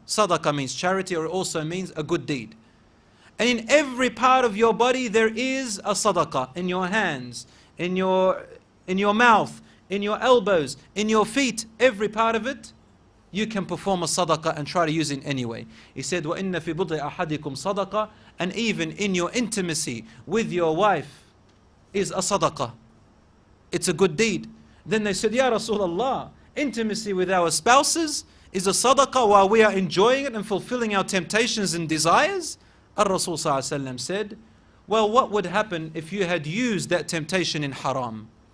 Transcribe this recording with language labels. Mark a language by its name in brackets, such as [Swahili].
[English] Sadaqah means charity, or it also means a good deed. And in every part of your body there is a sadaqah, in your hands, in your mouth, in your elbows, in your feet, every part of it. You can perform a sadaqah and try to use it in any way. He said, [Arabic] وَإِنَّ فِي بُضْعِ أَحَدِكُمْ صَدَقَةً. [English] And even in your intimacy with your wife is a sadaqah. It's a good deed. Then they said, Ya Rasulullah, intimacy with our spouses is a sadaqah while we are enjoying it and fulfilling our temptations and desires. Rasul Sallallahu Alaihi Wasallam said, well, what would happen if you had used that temptation in haram?